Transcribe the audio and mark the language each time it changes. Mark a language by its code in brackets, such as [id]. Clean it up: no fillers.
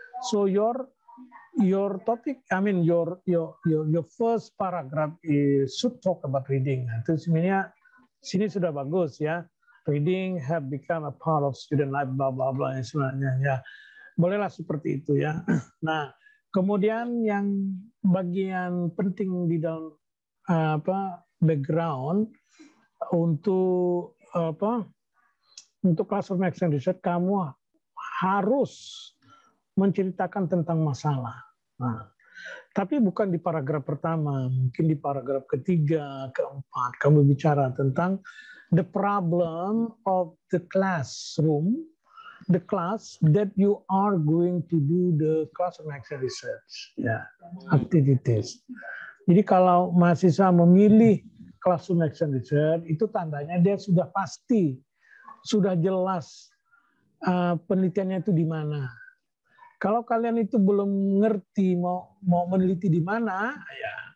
[en] So your topic, I mean your first paragraph is should talk about reading. [id] Itu sebenarnya sini sudah bagus ya. [en] Reading have become a part of student life, blah blah blah, [id] sebenarnya ya. Bolehlah seperti itu ya. Nah, kemudian yang bagian penting di dalam background untuk classroom action research, kamu harus menceritakan tentang masalah. Nah, tapi bukan di paragraf pertama, mungkin di paragraf ketiga, keempat, kamu bicara tentang [en] the problem of the classroom. The class that you are going to do the classroom action research, yeah, activities. [id] Jadi kalau mahasiswa memilih classroom action research, itu tandanya dia sudah pasti, sudah jelas penelitiannya itu di mana. Kalau kalian itu belum ngerti mau meneliti di mana, ya